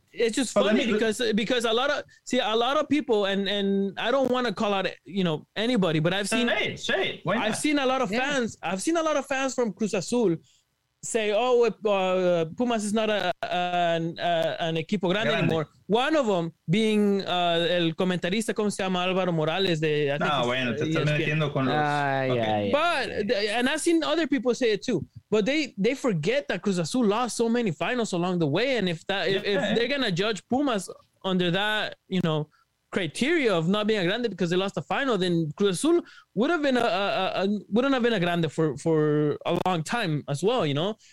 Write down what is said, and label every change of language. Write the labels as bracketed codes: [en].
[en] It's just funny because a lot of people and I don't want to call out anybody, but I've seen a lot of fans from Cruz Azul say, Pumas is not an [es] equipo grande [en] anymore. One of them being [es] el comentarista, ¿cómo se llama? [en] Álvaro Morales. And I've seen other people say it too. But they forget that Cruz Azul lost so many finals along the way. And if they're going to judge Pumas under that, you know, criteria of not being a grande because they lost the final, then Cruz Azul would have been a grande for a long time as well, you know?